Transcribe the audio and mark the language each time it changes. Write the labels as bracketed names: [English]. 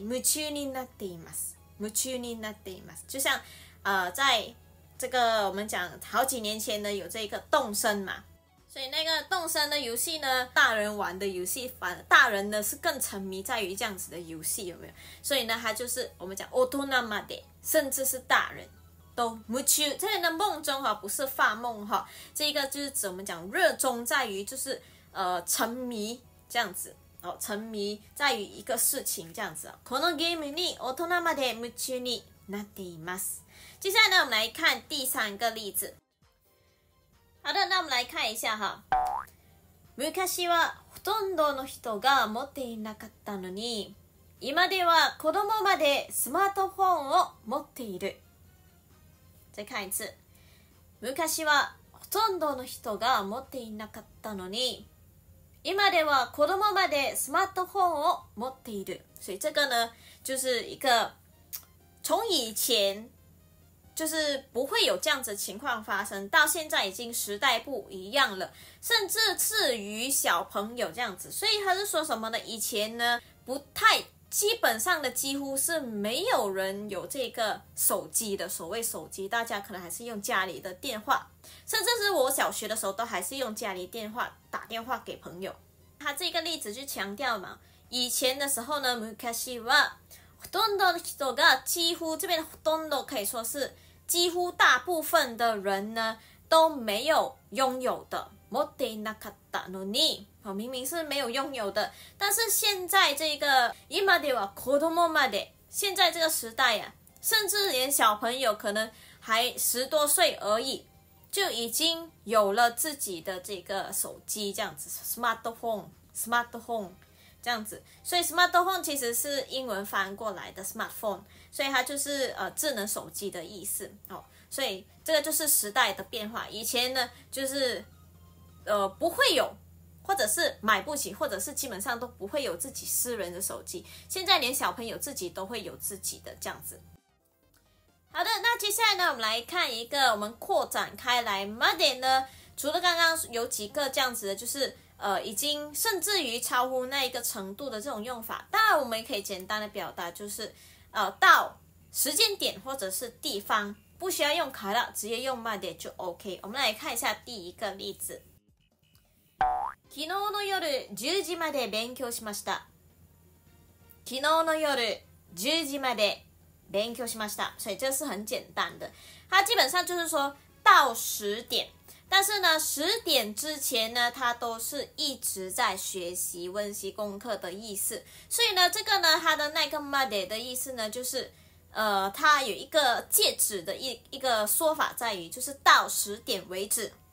[Japanese] 夢中になっています。夢中になっています。 [Chinese] 就像在这个我们讲好几年前呢有这个动森嘛，所以那个动森的游戏呢，大人玩的游戏，反大人呢是更沉迷在于这样子的游戏，有没有？所以呢它就是我们讲 [Japanese] 大人まで， [Chinese] 甚至是大人都夢中，这里的梦中哈，不是发梦哈，这个就是怎么讲，热衷在于就是沉迷这样子，沉迷在于一个事情这样子。 [Japanese] このゲームに大人まで夢中になっています。 [Chinese] 接下来呢，我们来看第三个例子。好的，那我们来看一下哈。 [Japanese] 昔はほとんどの人が持っていなかったのに、今では子供までスマートフォンを持っている。 [Chinese] 再看一次。 [Japanese] 昔はほとんどの人が持っていなかったのに、今では子供までスマートフォンを持っている。 [Chinese] 所以这个呢，就是一个从以前就是不会有这样子的情况发生，到现在已经时代不一样了，甚至至于小朋友这样子。所以他是说什么呢？以前呢，不太。基本上的几乎是没有人有这个手机的，所谓手机大家可能还是用家里的电话，甚至是我小学的时候都还是用家里电话打电话给朋友。他这个例子就强调嘛，以前的时候呢， [Japanese] 昔はほとんどの人が [Chinese] 几乎，这边ほとんど可以说是几乎大部分的人呢都没有拥有的， [Japanese] 持っていなかったのに， [Chinese] 明明是没有拥有的，但是现在这个 [Japanese] 今では子供まで， [Chinese] 现在这个时代啊，甚至连小朋友可能还十多岁而已，就已经有了自己的这个手机这样子 ，smartphone，smartphone 这样子。所以 smartphone 其实是英文翻过来的 smartphone， 所以它就是智能手机的意思哦。所以这个就是时代的变化，以前呢就是不会有。或者是买不起，或者是基本上都不会有自己私人的手机，现在连小朋友自己都会有自己的这样子。好的，那接下来呢，我们来看一个，我们扩展开来 ，made 呢，除了刚刚有几个这样子的，就是已经甚至于超乎那一个程度的这种用法，当然我们也可以简单的表达就是到时间点或者是地方，不需要用から，直接用 made 就 OK。我们来看一下第一个例子。 [Japanese] 昨日の夜10時まで勉強しました。昨日の夜10時まで勉強しました。 [Chinese] 所以这是很简单的。它基本上就是说到十点，但是呢，十点之前呢，它都是一直在学习温习功课的意思。所以呢，这个呢，它的那个まで的意思呢，就是它有一个介指的一个说法在于，就是到十点为止。